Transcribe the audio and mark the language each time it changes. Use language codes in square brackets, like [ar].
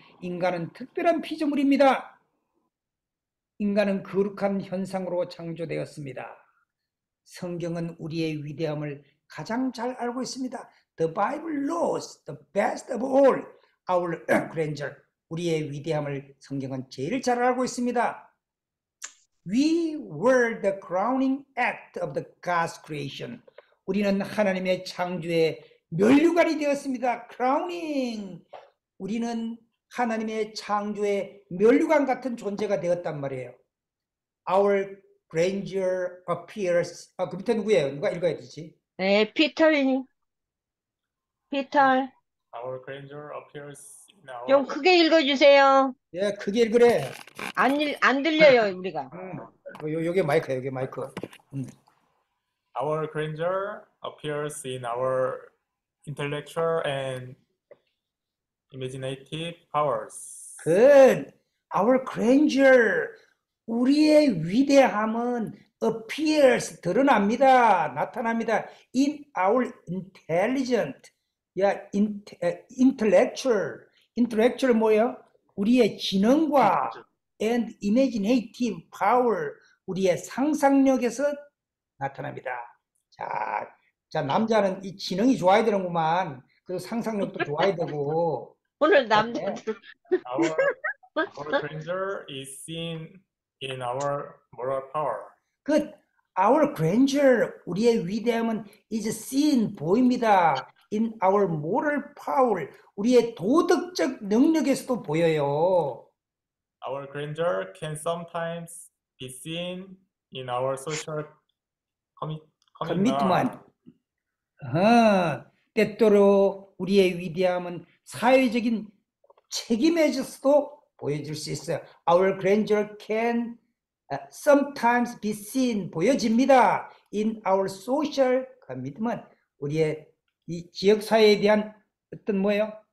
[ko] 인간은 특별한 피조물입니다. 인간은 거룩한 현상으로 창조되었습니다. 성경은 우리의 위대함을 가장 잘 알고 있습니다. [en] The Bible knows the best of all our grandeur. [ko] 우리의 위대함을 성경은 제일 잘 알고 있습니다. [en] We were the crowning act of the God's creation. [ko] 우리는 하나님의 창조의 면류관이 되었습니다. [en] Crowning. [ko] 우리는 하나님의 창조의 면류관 같은 존재가 되었단 말이에요. [en] Our grandeur appears. [ko] 아, 그 밑에 누구예요? 누가 읽어야 되지? 네, 피터이니. 피터. [en] Our grandeur appears. [ko] 좀 크게 읽어주세요. 예, 크게 읽으래. 안 들려요 우리가. 여기 마이크, 여기 마이크. [en] Our grandeur appears in our intellectual and imaginative powers. Good. Our grandeur, [ko] 우리의 위대함은 [en] appears [ko] 드러납니다, 나타납니다. [en] In our intelligent, yeah, intellectual. [ko] Intellectual 뭐예요? 우리의 지능과 [en] and imaginative power [ko] 우리의 상상력에서 나타납니다. 자, 자 남자는 이 지능이 좋아야 되는구만. 그리고 상상력도 좋아야 되고. 오늘 남자들. [en] Our grandeur is seen in our moral power. Good. Our grandeur [ko] 우리의 위대함은 [en] is seen [ko] 보입니다. [en] In our moral power, [ko] 우리의 도덕적 능력에서도 보여요. [en] Our grandeur can sometimes be seen in our social commitment. [ko] 때때로 우리의 위대함은 사회적인 책임에서도 보여질 수 있어요. [en] Our grandeur can sometimes be seen, [ko] 보여집니다. [en] In our social commitment, [ko] 우리의 이 지역 사회에 대한 어떤 뭐예요?